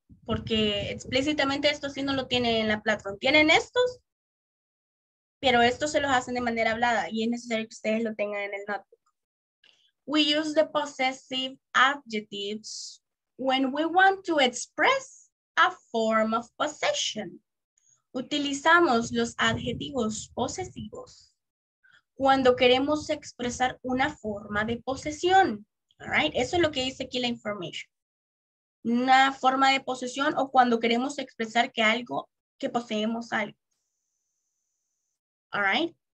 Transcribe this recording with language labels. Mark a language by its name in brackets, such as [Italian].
[Spanish] Porque explícitamente esto sí no lo tienen en la plataforma. Tienen estos, pero estos se los hacen de manera hablada y es necesario que ustedes lo tengan en el notebook. [English] We use the possessive adjectives when we want to express a form of possession. [Spanish] Utilizamos los adjetivos posesivos cuando queremos expresar una forma de posesión. All right? Eso es lo que dice aquí la information. Una forma de posesión o cuando queremos expresar que algo, que poseemos algo. All right?